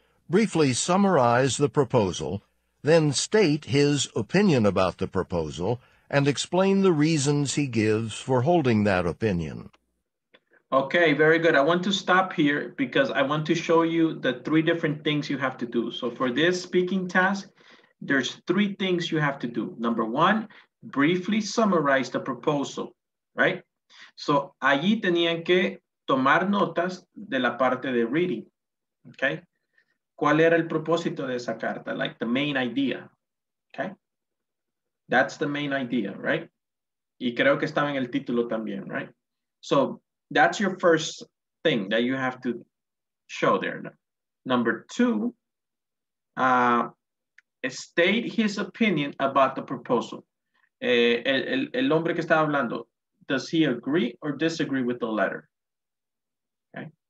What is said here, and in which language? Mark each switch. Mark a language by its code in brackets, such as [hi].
[en] Briefly summarize the proposal, then state his opinion about the proposal, and explain the reasons he gives for holding that opinion. Okay, very good. I want to stop here because I want to show you the three different things you have to do. So for this speaking task, there's three things you have to do. Number one, briefly summarize the proposal, right? [es] So allí tenían que tomar notas de la parte de reading, okay? ¿Cuál era el propósito de esa carta? [en] Like the main idea, okay? That's the main idea, right? [es] Y creo que estaba en el título también, right? [en] So that's your first thing that you have to show there. Number two, state his opinion about the proposal. [es] El hombre que estaba hablando, [en] does he agree or disagree with the letter? Okay.